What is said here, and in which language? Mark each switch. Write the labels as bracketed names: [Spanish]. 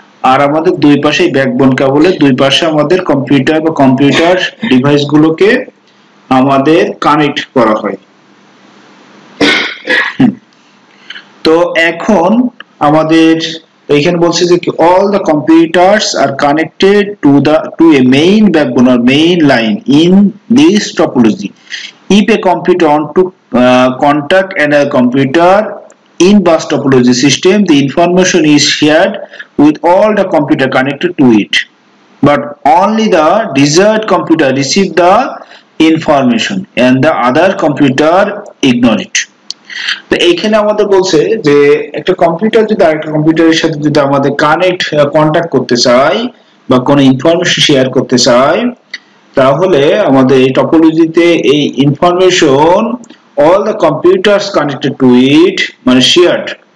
[Bangla] আর আমাদের দুই পাশে ব্যাকবোন কেবলের দুই পাশে আমাদের কম্পিউটার বা কম্পিউটার ডিভাইস গুলোকে আমাদের কানেক্ট করা হয়। তো এখন আমাদের এইখানে বলছে যে [English] All the computers are connected to the to a main backbone আর main line in this topology. Keep a computer on to contact another computer in bus topology system. The information is shared with all the computer connected to it, but only the desired computer receive the information and the other computer ignore it. [Bangla] তো এখানে আমাদের বলছে যে একটা computer যদি আরেকটা কম্পিউটারের সাথে যদি আমাদের কানেক্ট কন্ট্যাক্ট করতে চায় বা কোনো ইনফরমেশন শেয়ার করতে চায়, তাহলে আমাদের এই টপোলজিতে এই information [English] all the computers connected to it [Bangla] মানে শেয়ার্ড,